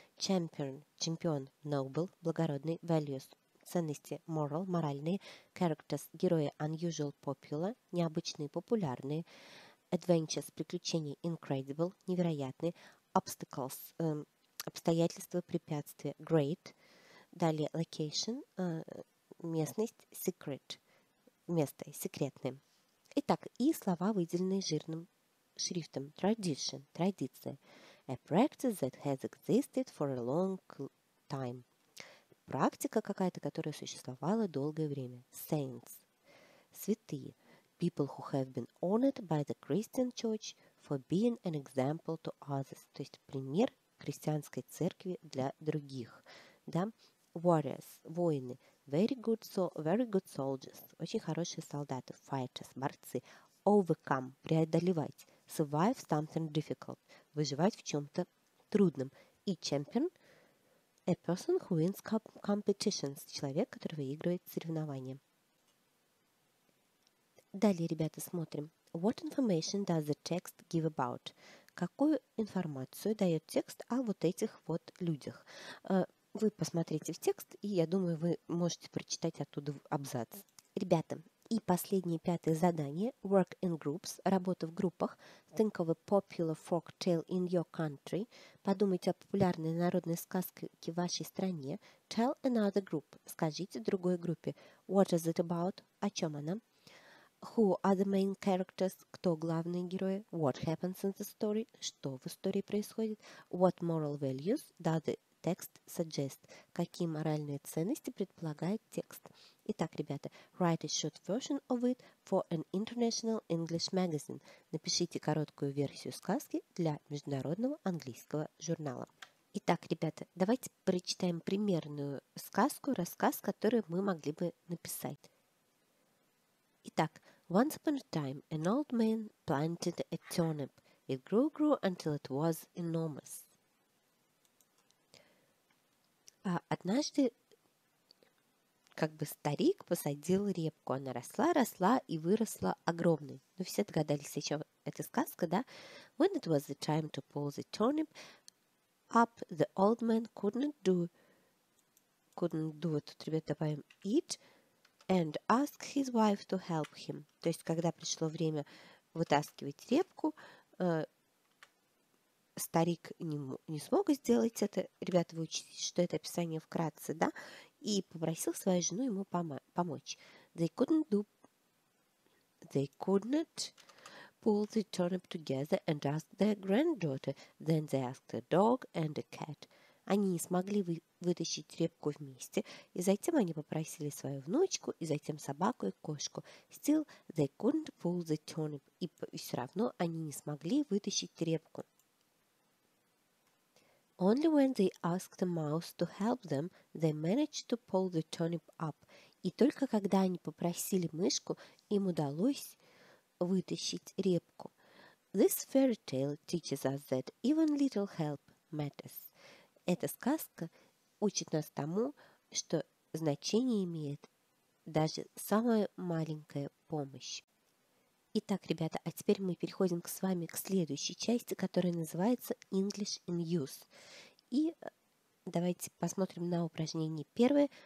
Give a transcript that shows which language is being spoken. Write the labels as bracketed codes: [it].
[ru] Champion – чемпион, noble – благородный, values – ценности, moral – моральные, characters – герои, unusual – popular – необычные, популярные, adventures – приключения, incredible – невероятные, obstacles – обстоятельства, препятствия, great, далее location – местность, secret – место, секретное. Итак, и слова, выделенные жирным шрифтом. [en] Tradition – традиция. A practice that has existed for a long time. [ru] Практика какая-то, которая существовала долгое время. [en] Saints – святые. People who have been honored by the Christian church for being an example to others. [ru] То есть пример христианской церкви для других. [en] Да? Warriors – воины. Very good soldiers. [ru] Очень хорошие солдаты. Fighters. Борцы. Overcome. Преодолевать. [en] Survive something difficult. [ru] Выживать в чем-то трудном. [en] И champion. A person who wins competitions. [ru] Человек, который выигрывает соревнования. Далее, ребята, смотрим. [en] What information does the text give about? [ru] Какую информацию дает текст о вот этих вот людях? Вы посмотрите в текст, и я думаю, вы можете прочитать оттуда абзац. Ребята, и последнее, пятое задание. [en] Work in groups. [ru] Работа в группах. [en] Think of a popular folk tale in your country. [ru] Подумайте о популярной народной сказке в вашей стране. [en] Tell another group. [ru] Скажите другой группе. [en] What is it about? [ru] О чем она? [en] Who are the main characters? [ru] Кто главные герои? [en] What happens in the story? [ru] Что в истории происходит? [en] What moral values? Does the text suggest, [ru] какие моральные ценности предполагает текст. Итак, ребята, [en] write a short version of it for an international English magazine. [ru] Напишите короткую версию сказки для международного английского журнала. Итак, ребята, давайте прочитаем примерную сказку, рассказ, который мы могли бы написать. Итак, [en] once upon a time an old man planted a turnip. It grew until it was enormous. [ru] А однажды, как бы старик посадил репку. Она росла, росла и выросла огромной. Ну, все догадались, о чем эта сказка, да? [en] When it was the time to pull the turnip up, the old man couldn't do it, [ru] тут, ребят, добавим [en] it, and ask his wife to help him. [ru] То есть, когда пришло время вытаскивать репку, старик не смог сделать это. Ребята, вы учтите, что это описание вкратце, да? И попросил свою жену ему помочь. [en] They could not pull the turnip together and ask their granddaughter. Then they asked a dog and a cat. [ru] Они не смогли вытащить репку вместе. И затем они попросили свою внучку, и затем собаку и кошку. [en] Still, they couldn't pull the turnip. [ru] И все равно они не смогли вытащить репку. [en] Only when they asked the mouse to help them, they managed to pull the turnip up. [ru] И только когда они попросили мышку, им удалось вытащить репку. [en] This fairy tale teaches us that even little help matters. [ru] Эта сказка учит нас тому, что значение имеет даже самая маленькая помощь. Итак, ребята, а теперь мы переходим с вами к следующей части, которая называется [en] English in Use. [ru] И давайте посмотрим на упражнение первое.